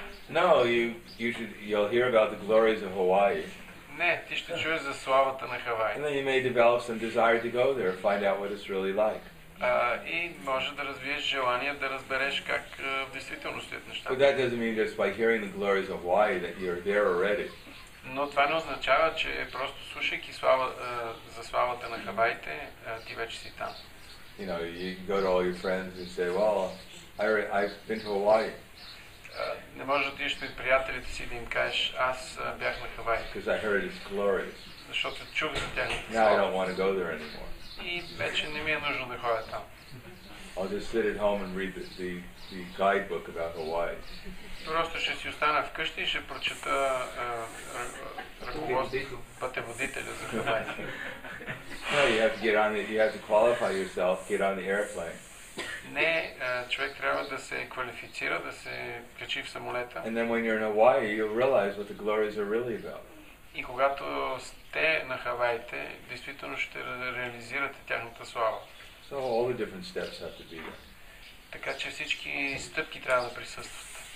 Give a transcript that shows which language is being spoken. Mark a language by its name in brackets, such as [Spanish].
[English] No, you'll hear about the glories of Hawaii. [Bulgarian] Не, ти ще чуеш за славата на Хавай. [English] And then you may develop some desire to go there and find out what it's really like. [Bulgarian] И може да развиеш желание да разбереш как в действителност стоят нещата. [English] But that doesn't mean just by hearing the glories of Hawaii that you're there already. [Bulgarian] Но това не означава, че просто слушайки за славата на Хавайите, ти вече си там. [English] You know, you go to all your friends and say, well, I've been to Hawaii. [Bulgarian] Не можеш да отидеш при приятелите си да им кажеш, аз бях на Хавай. [English] Because I heard it's glorious. [Bulgarian] Защото чух за тях. [English] Now I don't want to go there anymore. [Bulgarian] И вече не ми е нужно да ходя там. [English] I'll just sit at home and read the guidebook about Hawaii. [Bulgarian] Просто ще си остана вкъщи и ще прочета ръководство, пътеводителя за Хавай. [English] You have to get on it. You have to qualify yourself. Get on the airplane. [Bulgarian] Не, човек трябва да се квалифицира, да се качи в самолета. [English] And then when you're in Hawaii, you'll realize what the glories are really about. [Bulgarian] И когато сте на Хавайите, действително ще реализирате тяхната слава. [English] So all the different steps have to be there. [Bulgarian] Така че всички стъпки трябва да присъстват.